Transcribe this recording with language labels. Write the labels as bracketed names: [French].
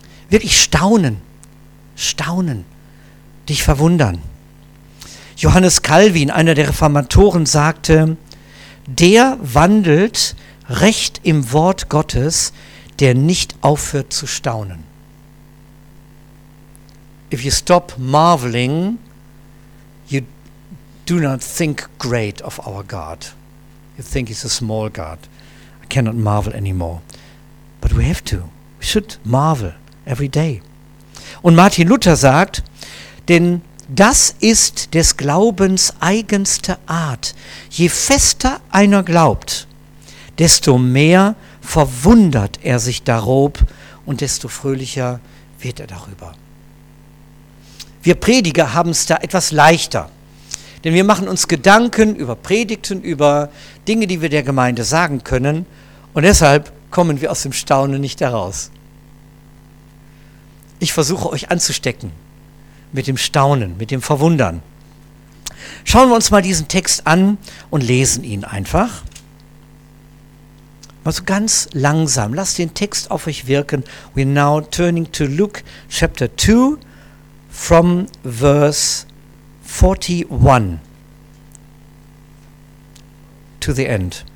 [German] Wirklich staunen, dich verwundern. Johannes Calvin, einer der Reformatoren, sagte, der wandelt recht im Wort Gottes, der nicht aufhört zu staunen. [English] If you stop marveling, you do not think great of our God. You think he's a small God. cannot marvel anymore. But we have to. We should marvel every day. [German] Und Martin Luther sagt, denn das ist des Glaubens eigenste Art. Je fester einer glaubt, desto mehr verwundert er sich darob und desto fröhlicher wird er darüber. Wir Prediger haben es da etwas leichter. Denn wir machen uns Gedanken über Predigten, über Dinge, die wir der Gemeinde sagen können. Und deshalb kommen wir aus dem Staunen nicht heraus. Ich versuche euch anzustecken mit dem Staunen, mit dem Verwundern. Schauen wir uns mal diesen Text an und lesen ihn einfach. Mal so ganz langsam, lasst den Text auf euch wirken. [English] We're now turning to Luke chapter 2 from verse 41 to the end.